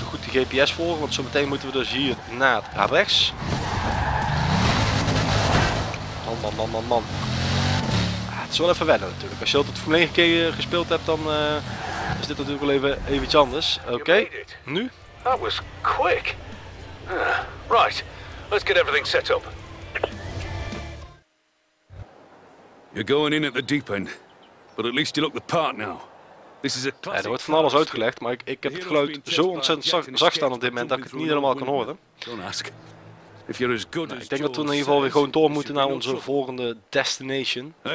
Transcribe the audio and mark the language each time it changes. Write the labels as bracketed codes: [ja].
[nl] GPS volgen, want zometeen moeten we dus hier naar rechts. Man. Ah, het is wel even wennen natuurlijk. Als je altijd voor 9 keer gespeeld hebt, dan is dit natuurlijk wel even eventjes anders. Oké, nu? Dat was quick. [en] Right, let's get everything set up. You're going in at the deep end, but at least you look the part now. [nl] Er wordt van alles uitgelegd, maar ik heb het geluid zo ontzettend zacht staan op dit moment dat ik het niet helemaal kan horen. Nou, ik denk dat we in ieder geval weer gewoon door moeten naar onze volgende destination.